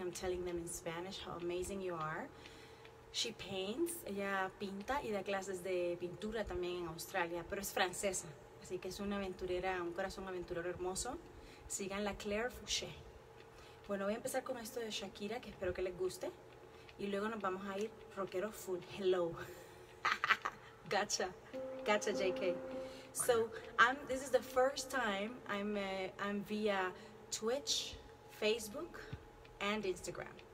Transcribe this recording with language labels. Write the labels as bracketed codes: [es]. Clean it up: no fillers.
[en] I'm telling them in Spanish how amazing you are. She paints, [es] ella pinta y da clases de pintura también en Australia, pero es francesa, así que es una aventurera, un corazón aventurero hermoso. Síganla, Claire Fouché. Bueno, voy a empezar con esto de Shakira, que espero que les guste, y luego nos vamos a ir rockero full. [en] Hello. Gotcha, gotcha, JK. So, this is the first time I'm via Twitch, Facebook, and Instagram.